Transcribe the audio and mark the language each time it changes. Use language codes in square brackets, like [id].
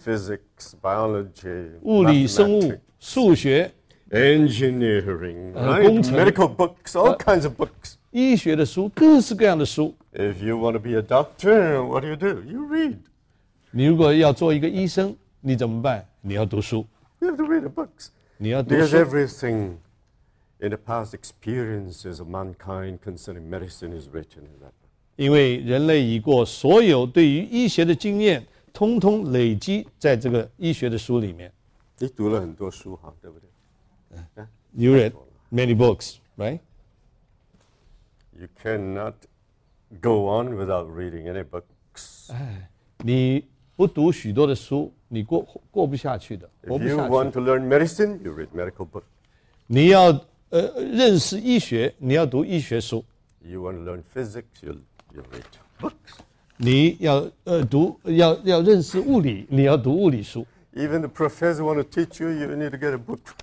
[en] Physics, biology, [zh] 物理生物数学 [en] Engineering、 [zh] 工程 [en] Medical books, all kinds of books [zh] 医学的书各式各样的书 [en] If you want to be a doctor, what do? You read [zh] 你如果要做一个医生你怎么办你要读书 [en] You have to read the books [zh] 你要读书 [en] Because everything in the past experiences of mankind concerning medicine is written in that book [zh] 因为人类已过所有对于医学的经验通通累积在这个医学的书里面。你读了很多书哈，对不对 [en] ？You read many books, right? You cannot go on without reading any books. [zh] 你不读许多的书，你过不下去的。 [en] If you want to learn medicine, you read medical books. [zh] 你要认识医学，你要读医学书。 [en] You want to learn physics, you read books. [zh] 你要读要认识物理，你要读物理书。 [en] Even the professor want to teach you, you need to get a book.